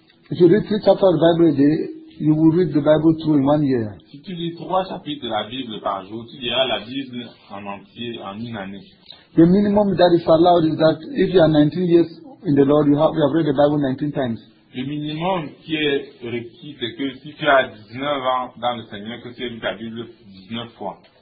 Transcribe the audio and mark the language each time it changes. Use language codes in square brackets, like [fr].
[en] If you read 3 chapters of the Bible a day, you will read the Bible through in 1 year. [fr] Si tu lis 3 chapitres de la Bible par jour, tu liras la Bible en entier en une année. [en] The minimum that is allowed is that if you are 19 years in the Lord, you have read the Bible 19 times. [fr] Le minimum qui est requis, c'est que si tu as 19 ans dans le Seigneur, que tu aies lu ta Bible 19 fois.